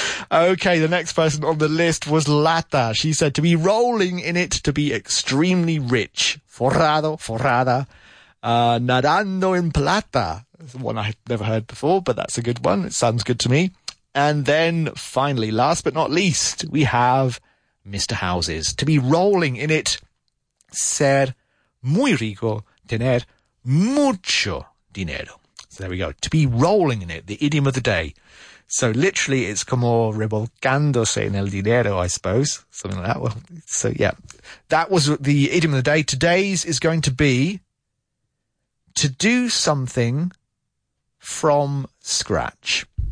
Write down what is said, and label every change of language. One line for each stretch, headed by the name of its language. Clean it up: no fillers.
English: Okay, the next person on the list was Lata. She said to be rolling in it, to be extremely rich.
Spanish: Forrado, forrada. Nadando en plata.
English: One I've never heard before, but that's a good one. It sounds good to me. And then finally, last but not least, we have Mr. Houses. To be rolling in it,
Spanish: ser muy rico, tener mucho dinero.
English: So there we go. To be rolling in it, the idiom of the day. So literally, it's
Spanish: como revolcándose en el dinero,
English: I suppose. Something like that. Well, so yeah, that was the idiom of the day. Today's is going to be to do something from scratch.